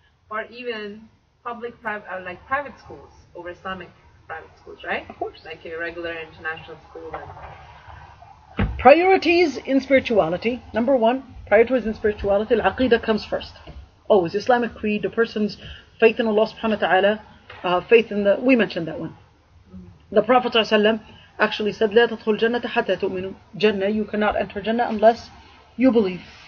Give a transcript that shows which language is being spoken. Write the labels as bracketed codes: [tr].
[en] Or even private schools over Islamic private schools, right? Of course. Like a regular international school. Priorities in spirituality. Number one, priorities in spirituality. Al-Aqidah comes first. Oh, it's Islamic creed, the person's faith in Allah subhanahu wa ta'ala, faith in we mentioned that one. [ar] The Prophet ﷺ actually said, لَا تَدْخُلْ جَنَّةَ حَتَّى تُؤْمِنُوا. [en] Jannah, you cannot enter Jannah unless you believe.